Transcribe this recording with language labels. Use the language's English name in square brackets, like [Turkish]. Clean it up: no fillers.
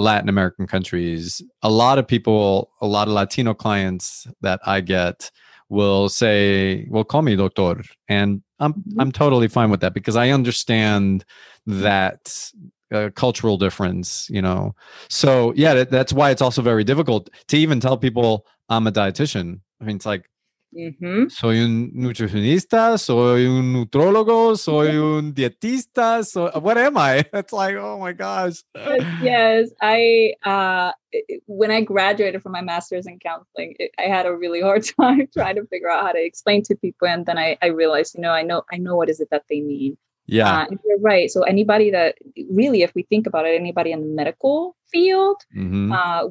[English] Latin American countries, a lot of people, a lot of Latino clients that I get will say, well, call me doctor. And I'm totally fine with that, because I understand that cultural difference, you know. So yeah, that's why it's also very difficult to even tell people I'm a dietitian. I mean, it's like, mm-hmm. [Spanish] soy un nutricionista, soy un nutrólogo, soy un dietista, [English] so what am I? It's like, oh my gosh. Yes, I when I graduated from my master's in counseling, I had a really hard time trying to figure out how to explain to people, and then I realized, you know, I know what is it that they mean. Yeah, you're right. So anybody that really, if we think about it, anybody in the medical field, mm-hmm.